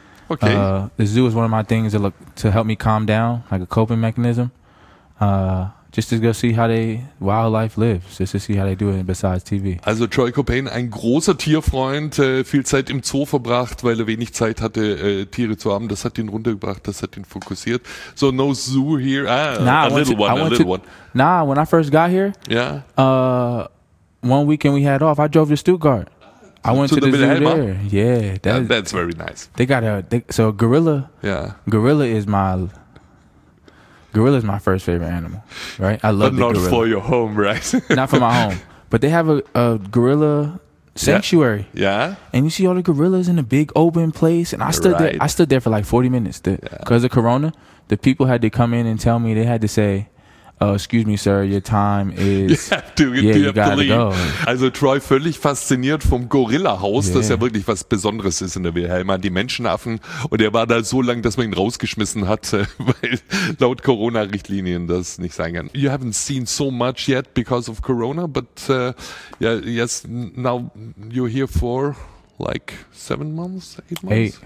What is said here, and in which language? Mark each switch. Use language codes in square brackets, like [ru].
[en] Okay. The zoo is one of my things to help me calm down, like a coping mechanism, just to go see how they wildlife lives, just to see how they do it besides TV. [de] Also Troy Copain, ein großer Tierfreund, viel Zeit im Zoo verbracht, weil er wenig Zeit hatte, Tiere zu haben. Das hat ihn runtergebracht, das hat ihn fokussiert. [en] So no zoo here, a little one. Nah, when I first got here, yeah. One weekend we had off, I drove to Stuttgart. I went to the zoo Wilhelma? There. Yeah, that's very nice. They got a gorilla. Yeah, gorilla is my first favorite animal. Right, I love but the gorilla. But not for your home, right? Not for my home. But they have a gorilla sanctuary. Yeah. Yeah, and you see all the gorillas in a big open place, and I stood there for like 40 minutes because of Corona. The people had to come in and tell me they had to say. Oh, excuse me, sir, your time is... You have to leave. [de] Also Troy völlig fasziniert vom Gorilla-Haus, yeah. Das ja wirklich was Besonderes ist in der Wilhelma, die Menschenaffen. Und er war da so lang, dass man ihn rausgeschmissen hat, weil laut Corona-Richtlinien das nicht sein kann. [en] You haven't seen so much yet because of Corona, but yes, now you're here for like 7 months, 8 months?